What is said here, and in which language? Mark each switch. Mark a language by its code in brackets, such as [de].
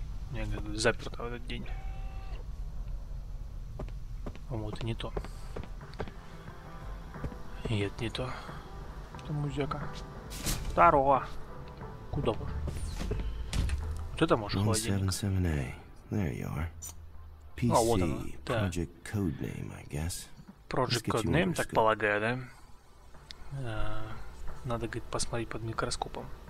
[ru] Не, заперто в этот день. По-моему, это не то. Нет, не то. Это музяка. Здорово! Куда вы? Вот это может холодильник. О, вот оно. [en] Project Codename, I guess. [ru] Project Codename, так полагаю, да? Надо, говорит, посмотреть под микроскопом.